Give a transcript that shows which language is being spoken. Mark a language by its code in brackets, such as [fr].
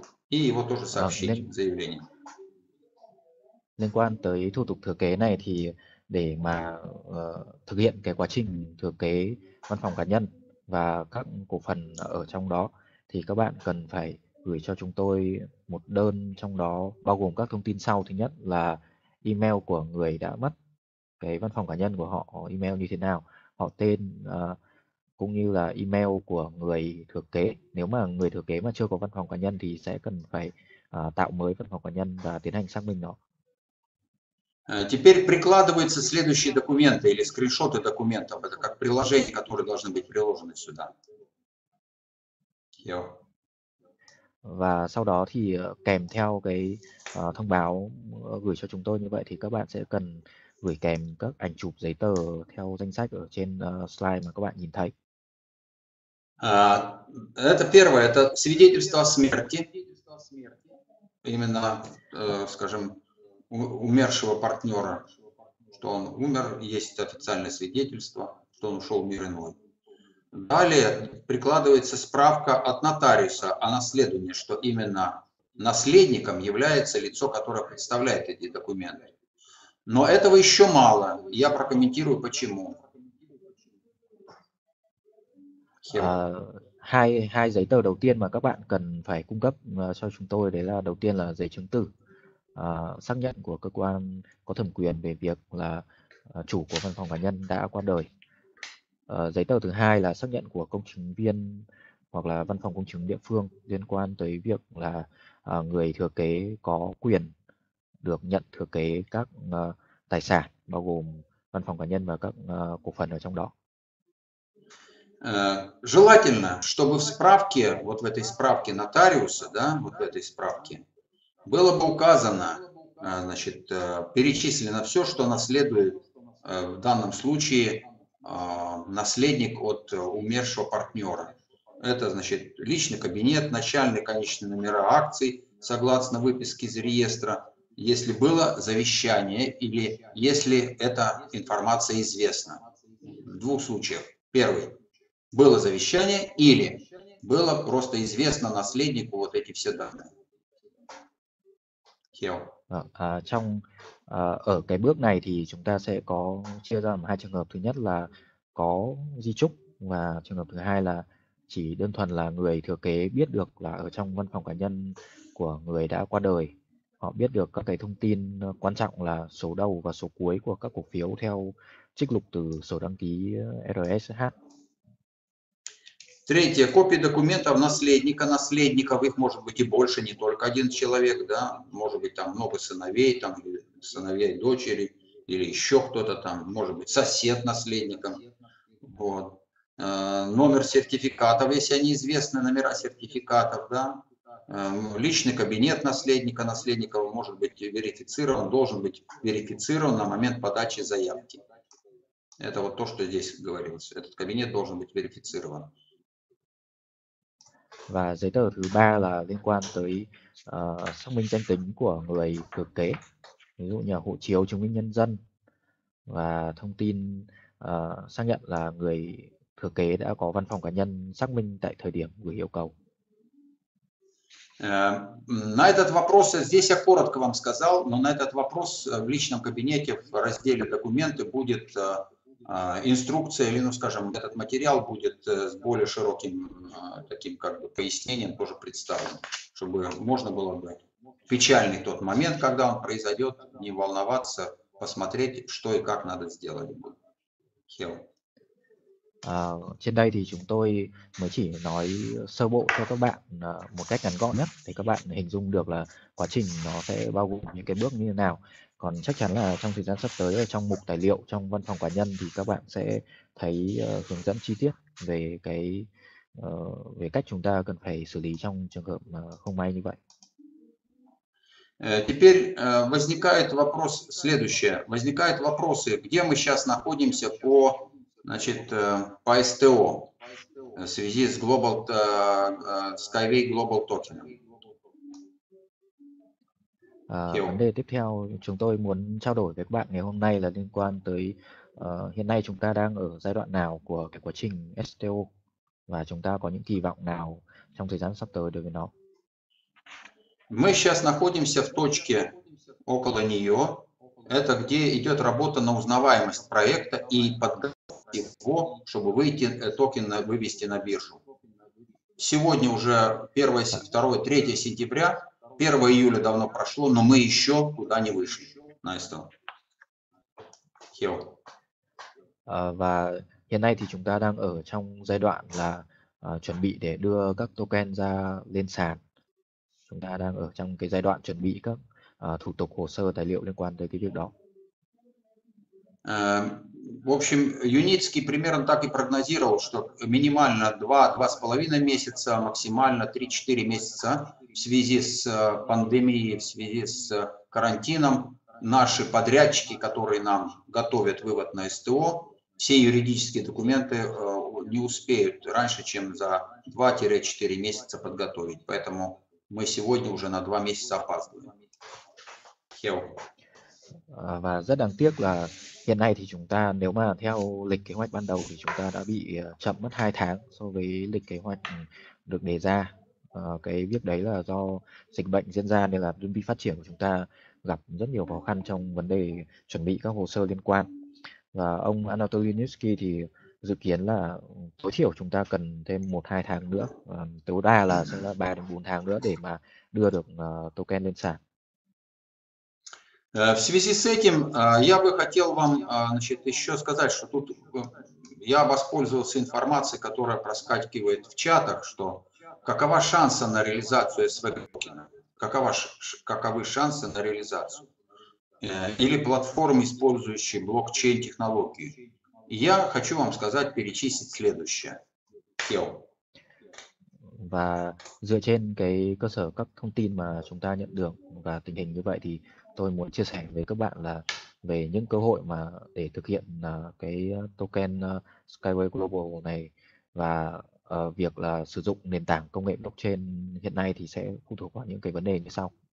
[ru] И его тоже сообщить заявление. [vi] Liên quan tới thủ tục thừa kế này thì để mà thực hiện cái quá trình thừa kế văn phòng cá nhân và các cổ phần ở trong đó thì các bạn cần phải gửi cho chúng tôi một đơn trong đó bao gồm các thông tin sau. Thứ nhất là email của người đã mất cái văn phòng cá nhân của họ, email như thế nào, họ tên cũng như là email của người thừa kế. Nếu mà người thừa kế mà chưa có văn phòng cá nhân thì sẽ cần phải tạo mới văn phòng cá nhân và tiến hành xác minh nó. [ru] Теперь прикладываются следующие документы или скриншоты документов. Это как приложение, которое должно быть приложено сюда. [vi] Và sau đó thì kèm theo cái thông báo gửi cho chúng tôi như vậy thì các bạn sẽ cần gửi kèm các ảnh chụp giấy tờ theo danh sách ở trên slide mà các bạn nhìn thấy. [ru] Это первое, это свидетельство о смерти. Именно, скажем, умершего партнера, что он умер, есть официальное свидетельство, что он ушел в мир иной. Далее прикладывается справка от нотариуса о наследовании, что именно наследником является лицо, которое представляет эти документы. Но этого еще мало. Я прокомментирую, почему. [vi] Hai giấy tờ đầu tiên mà các bạn cần phải cung cấp cho chúng tôi, đấy là đầu tiên là giấy chứng từ xác nhận của cơ quan có thẩm quyền về việc là chủ của văn phòng cá nhân đã qua đời. Giấy tờ thứ hai là xác nhận của công chứng viên hoặc là văn phòng công chứng địa phương liên quan tới việc là người thừa kế có quyền được nhận thừa kế các tài sản bao gồm văn phòng cá nhân và các cổ phần ở trong đó. [ru] Желательно, чтобы в справке, вот в этой справке нотариуса, да, вот в этой справке, было бы указано, значит, перечислено все, что наследует в данном случае наследник от умершего партнера. Это, значит, личный кабинет, начальные, конечные номера акций, согласно выписке из реестра, если было завещание или если эта информация известна. В двух случаях. Первый. Было завещание или было просто известно наследнику вот эти все данные. [vi] Trong ở cái bước này thì chúng ta sẽ có chia ra làm hai trường hợp. Thứ nhất là có di chúc và trường hợp thứ hai là chỉ đơn thuần là người thừa kế biết được là ở trong văn phòng cá nhân của người đã qua đời họ biết được các cái thông tin quan trọng là số đầu và số cuối của các cổ phiếu theo trích lục từ sổ đăng ký RSH. [ru] Третье. Копии документов наследника. Наследников их может быть и больше, не только один человек, да, может быть там много сыновей, там сыновей дочери или еще кто-то там, может быть сосед наследника. Вот. Номер сертификатов, если они известны, номера сертификатов, да. Личный кабинет наследника. Наследников может быть верифицирован, должен быть верифицирован на момент подачи заявки. Это вот то, что здесь говорилось. Этот кабинет должен быть верифицирован. [vi] Và giấy tờ thứ ba là liên quan tới xác minh danh tính của người thừa kế, ví dụ như hộ chiếu, chứng minh nhân dân và thông tin xác nhận là người thừa kế đã có văn phòng cá nhân xác minh tại thời điểm gửi yêu cầu. [ru] На этот вопрос здесь я коротко вам сказал, но на этот вопрос в личном кабинете в разделе документы будет инструкция или, ну, скажем, этот материал будет с более широким таким как бы пояснением тоже представлен, чтобы можно было бы печальный тот момент, когда он произойдет, не волноваться, посмотреть, что и как надо сделать. Хел. [vi] Trên đây thì chúng tôi mới chỉ nói sơ bộ cho các bạn một cách ngắn gọn nhất để các bạn hình dung được là quá trình nó sẽ bao gồm những cái bước như thế nào. Còn chắc chắn là trong thời gian sắp tới ở trong mục tài liệu trong văn phòng cá nhân thì các bạn sẽ thấy hướng dẫn chi tiết về cái về cách chúng ta cần phải xử lý trong trường hợp không may như vậy. [ru] Теперь возникает вопрос следующее. Возникают вопросы, где мы сейчас находимся по Значит, по СТО в связи с Global Skyway Global Token. [vi] Vấn đề tiếp theo chúng tôi muốn trao đổi với các bạn ngày hôm nay là liên quan tới hiện nay chúng ta đang ở giai đoạn nào của cái quá trình STO và chúng ta có những kỳ vọng nào trong thời gian sắp tới đối với nó. [ru] Мы сейчас находимся в точке около нее. Это где идет работа на узнаваемость проекта и подготовка его, чтобы выйти токен вывести на биржу. Сегодня уже 1, 2, 3 сентября. 1 июля давно прошло, но мы еще куда не вышли. Настя. Хео. [vi] Và hiện nay thì chúng ta đang ở trong giai đoạn là chuẩn bị để đưa các token ra lên sàn. Chúng ta đang ở trong cái giai đoạn chuẩn bị các thủ tục hồ sơ tài liệu liên quan tới cái việc đó. [ru] В общем, Юницкий примерно так и прогнозировал, что минимально 2-2,5 месяца, максимально 3-4 месяца в связи с пандемией, в связи с карантином. Наши подрядчики, которые нам готовят вывод на СТО, все юридические документы не успеют раньше, чем за 2-4 месяца подготовить. Поэтому мы сегодня уже на 2 месяца опаздываем. Хео. [vi] Và rất đáng tiếc là hiện nay thì chúng ta nếu mà theo lịch kế hoạch ban đầu thì chúng ta đã bị chậm mất 2 tháng so với lịch kế hoạch được đề ra. Cái việc đấy là do dịch bệnh diễn ra nên là đơn vị phát triển của chúng ta gặp rất nhiều khó khăn trong vấn đề chuẩn bị các hồ sơ liên quan. Và ông Anatoly Nitsky thì dự kiến là tối thiểu chúng ta cần thêm 1-2 tháng nữa, tối đa là sẽ là 3-4 tháng nữa để mà đưa được token lên sàn. [ru] В связи с этим я бы хотел вам значит, еще сказать, что тут я воспользовался информацией, которая проскакивает в чатах, что какова шанса на реализацию СВ-токена, каковы шансы на реализацию или платформ, использующие блокчейн-технологии. Я хочу вам сказать, перечислить следующее. Хел. [vi] Và dựa trên cái cơ sở các thông tin mà chúng ta nhận được và tình hình như vậy thì tôi muốn chia sẻ với các bạn là về những cơ hội mà để thực hiện cái token Skyway Global này và việc là sử dụng nền tảng công nghệ blockchain hiện nay thì sẽ phụ thuộc vào những cái vấn đề như sau.